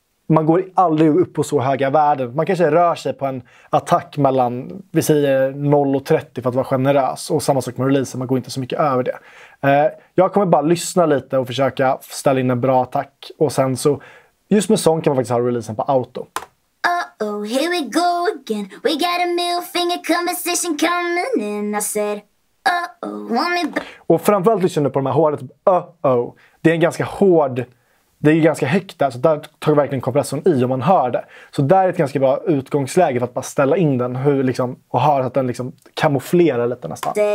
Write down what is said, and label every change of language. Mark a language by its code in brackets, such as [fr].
[sv] Man går aldrig upp på så höga värden. Man kanske rör sig på en attack mellan, vi säger 0 och 30 för att vara generös. Och samma sak med releasen, man går inte så mycket över det. Jag kommer bara lyssna lite och försöka ställa in en bra attack. Och sen så, just med sång kan man faktiskt ha releasen på auto. [en] Uh-oh, here we go again. We got a middle finger conversation coming in. I said, uh-oh, want me back. [sv] Och framförallt lyssnar du på de här hårda, typ, uh-oh. Det är en ganska hård... Det är ju ganska högt där, så där tar jag verkligen kompressorn i om man hör det. Så där är ett ganska bra utgångsläge för att bara ställa in den hur liksom, och höra att den liksom kamouflerar lite nästan.